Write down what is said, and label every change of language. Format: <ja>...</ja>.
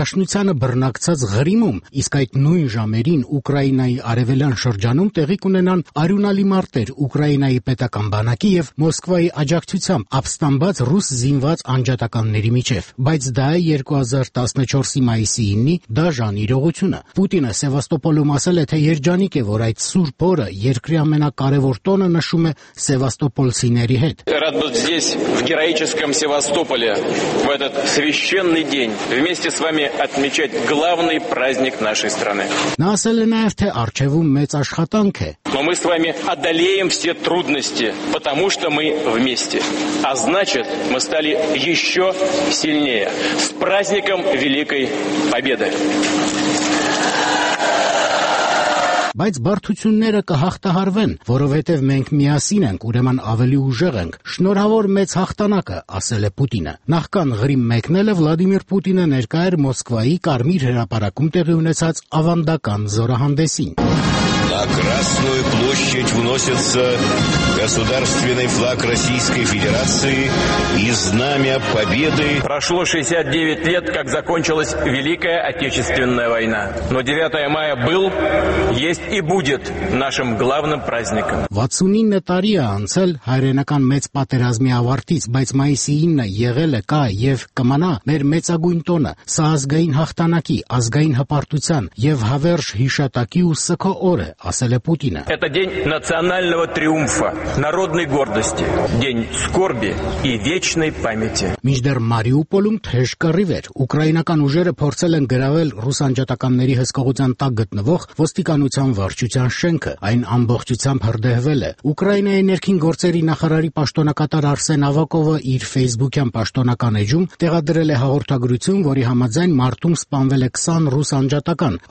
<hy>Դաշնությանը բռնակցած Ղրիմում, իսկ այդ նույն ժամերին Ուկրաինայի արևելյան շրջանում տեղի կունենան արյունալի մարտեր Ուկրաինայի պետական բանակի և Մոսկվայի աջակցությամբ ապստամբած ռուս զինված անջատականների միջև, բայց դա 2014-ի մայիսի 9-ի դաժան իրողությունը։ Պուտինը Սևաստոպոլում ասել է, թե երջանիկ է, որ այդ սուրբ օրը երկրի ամենակարևոր տոնը նշում է սևաստոպոլցիների հետ։</hy> <ru>Рад быть здесь в героическом Севастополе в этот священный день вместе с вами отмечать главный праздник нашей страны։</ru> <hy>Նա ասել է նաև, թե արժևում մեծ աշխատանք է։</hy> <ru>Но мы с вами одолеем все трудности, потому что мы вместе. А значит, мы стали еще сильнее. С праздником великой победы.</ru> <hy>Բայց բարդությունները կհաղթահարվեն, որովհետև մենք միասին ենք, ուրեմն ավելի ուժեղ ենք։ Շնորհավոր մեծ հաղթանակը, ասել է Պուտինը։ Նախքան Ղրիմ մեկնելը Վլադիմիր Պուտինը ներկա էր Մոսկվայի Կարմիր հրապարակում տեղի ունեցած ավանդական զորահանդեսին։</hy> <ru>На Красную площадь вносится государственный флаг Российской Федерации и знамя победы. Прошло 69 лет, как закончилась Великая Отечественная война. Но 9 мая был, есть и будет нашим главным праздником.</ru> <hy>69 տարի է անցել հայրենական մեծ պատերազմի ավարտից, բայց մայիսի 9-ը եղել է կա և կմնա մեր մեծագույն տոնը, սա ազգային հաղթանակի, ազգային հպարտության և հավերժ հիշատակի ու սքո օրը, ասել է Պուտինը։</hy> <ru>Это день национального триумфа, народной гордости, день скорби и вечной памяти։</ru> <hy>Մինչդեռ Մարիուպոլում թեժ կռիվ էր, ուկրաինական ուժերը փորձել են գրավել ռուսանջատականների հսկողության տակ գտնվող ոստիկանության վարչության շենքը, այն ամբողջությամբ հրդեհվել է։ Ուկրաինայի ներքին գործերի նախարարի պաշտոնակատար Արսեն Ավակովը իր Facebook-յան պաշտոնական էջում տեղադրել է հաղորդագրություն, որի համաձայն մարտում սպանվել է 20 ռուսանջատական,</hy>